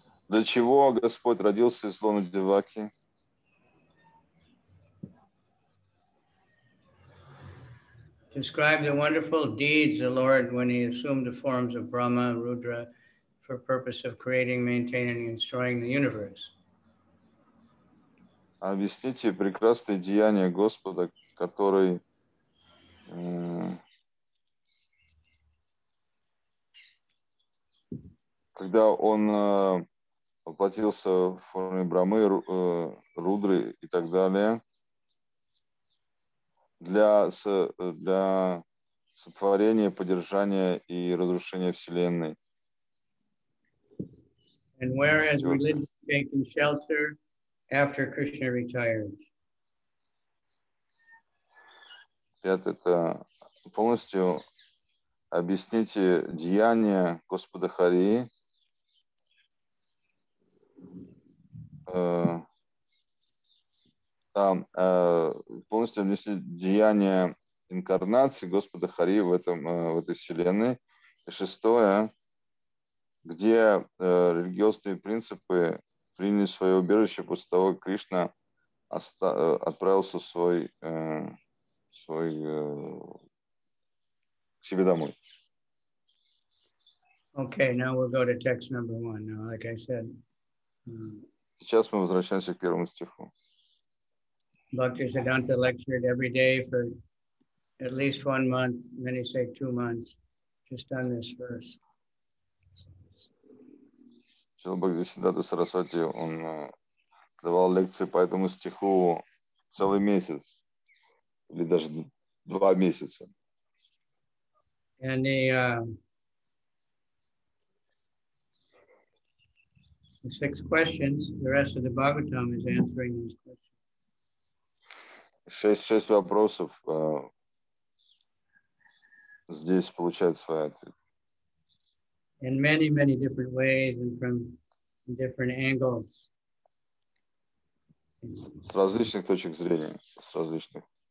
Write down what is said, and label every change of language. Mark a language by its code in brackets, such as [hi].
[ru] Для чего Господь родился из лона Деваки? [en] Describe the wonderful deeds the Lord when he assumed the forms of Brahma, Rudra, for purpose of creating, maintaining, and destroying the universe. [ru] Объясните прекрасные деяния Господа, который когда он воплотился в форме Брамы, Рудры и так далее. Для сотворения, поддержания и разрушения Вселенной. [en] And where has religion taken shelter after Krishna retired? [ru] Пятое, это полностью объясните деяния Господа Хари. Полностью внесли деяния инкарнации Господа Хари в этом в этой вселенной. И шестое, где религиозные принципы приняли свое убежище после того, как Кришна отправился в свой к себе домой. [en] Okay, now we'll go to text number one. Now, like I said. [ru] Сейчас мы возвращаемся к первому стиху. [en] Bhaktisiddhanta lectured every day for at least 1 month, many say 2 months, just on this verse. [ru] Шрила Бхагавадам Сарасвати, он давал лекции по этому стиху целый месяц, или даже 2 месяца. [en] And the the 6 questions, the rest of the Bhagavatam is answering these questions. [ru] 6 вопросов здесь получает свой ответ. [en] In many, many different ways and from different angles. [ru] С различных точек зрения, с различных.